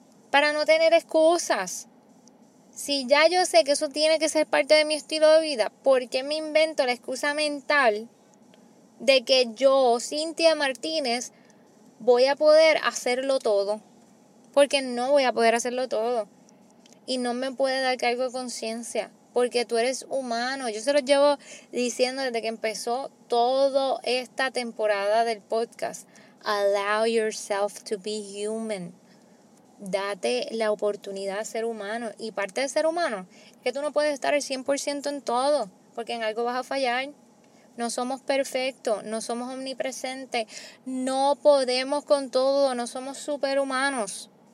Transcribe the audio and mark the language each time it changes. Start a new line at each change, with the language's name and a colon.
Spanish: Para no tener excusas. Si ya yo sé que eso tiene que ser parte de mi estilo de vida, ¿por qué me invento la excusa mental de que yo, Cynthia Martínez, voy a poder hacerlo todo? Porque no voy a poder hacerlo todo. Y no me puede dar cargo de conciencia. Porque tú eres humano. Yo se lo llevo diciendo desde que empezó toda esta temporada del podcast.
English: Allow yourself to be human.
Spanish: Date la oportunidad de ser humano. Y parte de ser humano es que tú no puedes estar el 100% en todo. Porque en algo vas a fallar. No somos perfectos. No somos omnipresentes. No podemos con todo. No somos superhumanos.